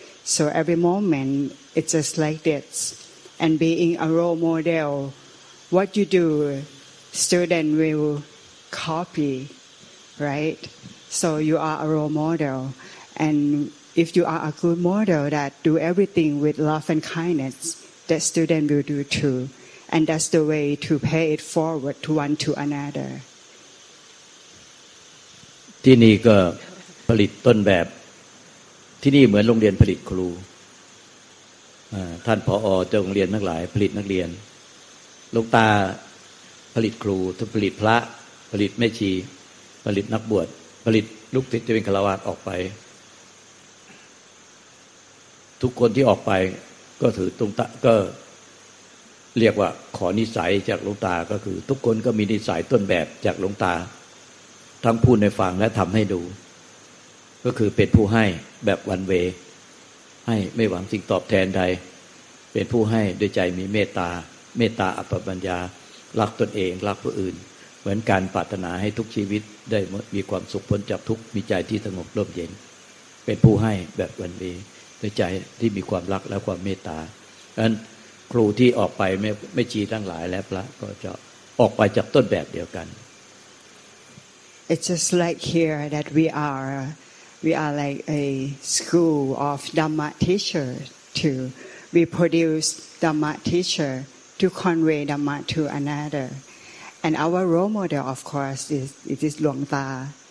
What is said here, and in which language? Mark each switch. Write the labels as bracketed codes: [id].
[en] So every moment, it's just like this. And being a role model, what you do, student will copy, right? So you are a role model. And... If you are a good model that do everything with love and kindness, that student will do too. And that's the way to pay it forward to one to another. [th] ที่นี่ก็ผลิตต้นแบบที่นี่เหมือนโรงเรียนผลิตครูท่านผอ.เจ้าโรงเรียนทั้งหลายผลิตนักเรียนลูกตาผลิตครูทั้งผลิตพระผลิตแม่ชีผลิตนักบวชผลิตลูกศิษย์จะเป็นคฤหัสถ์ออกไป ทุกคนที่ออกไปก็ถือตรงตะก็เรียกว่าขอนิสัยจากหลวงตาก็คือทุกคนก็มีนิสัยต้นแบบจากหลวงตาทั้งพูดในฟังและทำให้ดู ก็คือเป็นผู้ให้แบบวันเวให้ไม่หวังสิ่งตอบแทนใดเป็นผู้ให้ด้วยใจมีเมตตาอัปปัญญารักตนเองรักผู้อื่นเหมือนการปรารถนาให้ทุกชีวิตได้มีความสุขพ้นจากทุกมีใจที่สงบร่มเย็นเป็นผู้ให้แบบวันเวใจที่มีความรักและความเมตตาดังนั้นครูที่ออกไปไม่ชีทั้งหลายและพระก็จะออกไปจากต้นแบบเดียวกัน [en] It's just like here that we are like a school of Dhamma teacher to we produce Dhamma teacher to convey Dhamma to another and our role model of course is Luang Tha